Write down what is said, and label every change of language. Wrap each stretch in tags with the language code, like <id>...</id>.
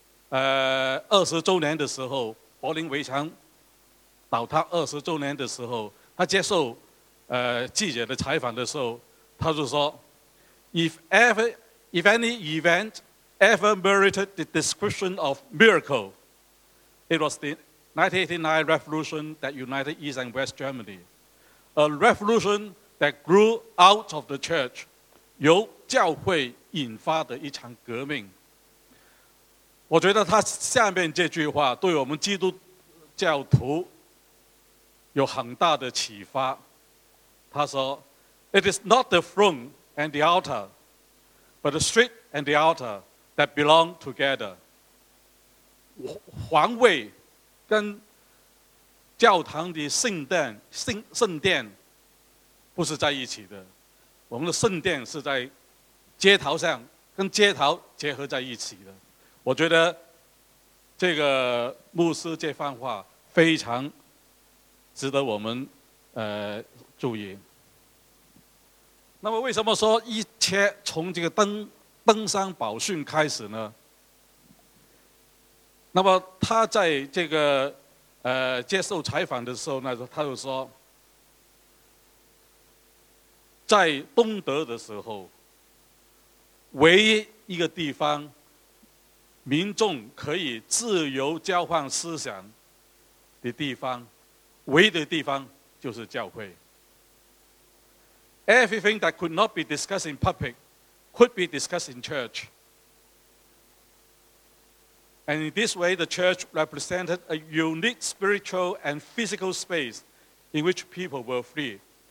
<zh>20周年的时候，柏林围墙倒塌20周年的时候，他接受记者的采访的时候，他就说</zh> <en>If any event ever merited the description of miracle, it was the 1989 revolution that united East and West Germany, a revolution that grew out of the church,</en> <zh>由教会引发的一场革命。我觉得他下面这句话对我们基督教徒有很大的启发。他说</zh> <en>It is not the front and the outer, but the street and the outer that belong together.</en> <zh>皇位跟教堂的圣殿不是在一起的，我们的圣殿是在街头上，跟街头结合在一起的。我觉得这个牧师这番话非常值得我们注意。那么为什么说一切从这个登山宝训开始呢？那么他在这个接受采访的时候呢，他就说在东德的时候，唯一一个地方民众可以自由交换思想的地方，唯一的地方就是教会。</zh> <en>Everything that could not be discussed in public could be discussed in church. And in this way, the church represented a unique spiritual and physical space in which people were free.</en>